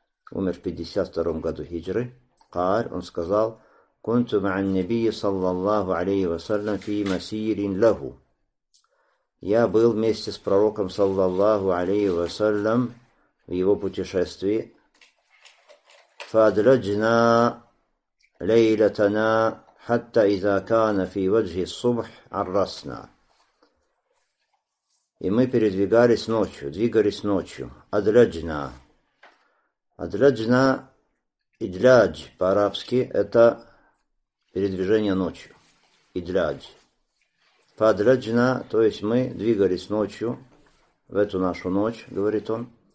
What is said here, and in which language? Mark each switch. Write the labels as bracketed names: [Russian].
[Russian] умер в 52 году хиджры, Кар, он сказал, [Arabic] كنت مع النبي صلى الله عليه وسلم في مسير له. [Russian] Я был вместе с пророком [Arabic] صلى الله عليه وسلم [Russian] в его путешествии. [Arabic] فأدرجنا ليلتنا حتى إذا كان في وجه الصبح عرسنا. [Russian] И мы передвигались ночью, двигались ночью. [Arabic] أدرجنا. أدرجنا. [Russian] إدراج по-арабски это передвижение ночью. Идрадж. Падраджна, то есть мы двигались ночью, в эту нашу ночь, говорит он.